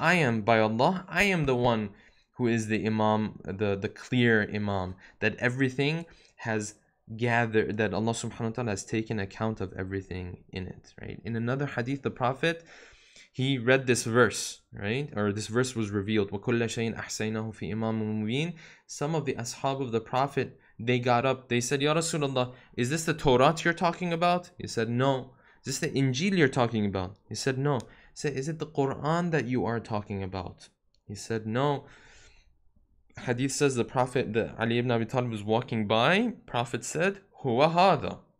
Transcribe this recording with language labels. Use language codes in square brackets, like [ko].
[en] I am, by Allah, I am the one who is the Imam, the clear Imam, that everything has gathered, that Allah subhanahu wa ta'ala has taken account of everything in it, right? In another hadith, the Prophet, he read this verse, right? Or this verse was revealed, [ar] وَكُلَّ شَيْءٍ أَحْسَيْنَهُ فِي إِمَامٍ مُبِينٍ. [en] Some of the ashab of the Prophet, they got up, they said, Ya Rasulullah, is this the Torah you're talking about? He said, no. Is this the Injil you're talking about? He said, no. He said, is it the Quran that you are talking about? He said, no. Hadith says the Prophet, the Ali ibn Abi Talib was walking by, Prophet said, [ar] Huwa hadha.